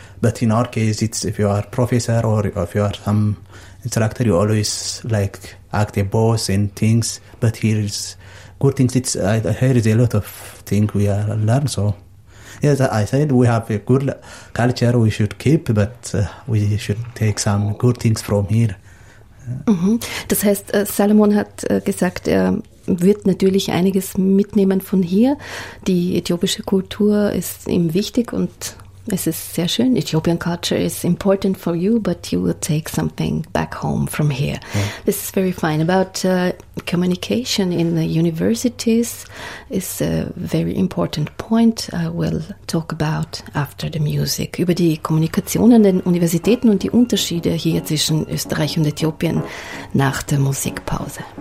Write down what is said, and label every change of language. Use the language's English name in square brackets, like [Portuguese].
[English] But in our case, it's if you are professor or if you are some instructor, you always like act a boss and things. But here is good things. It's here is a lot of things we are learn. So, yes, I said we have a good culture we should keep, but we should take some good things from here. [German] Das heißt, Solomon hat gesagt, er wird natürlich einiges mitnehmen von hier. Die äthiopische Kultur ist ihm wichtig und es ist sehr schön. [English] Ethiopian culture is important for you, but you will take something back home from here. Yeah. This is very fine. About communication in the universities is a very important point. I will talk about after the music. [German] Über die Kommunikation an den Universitäten und die Unterschiede hier zwischen Österreich und Äthiopien nach der Musikpause.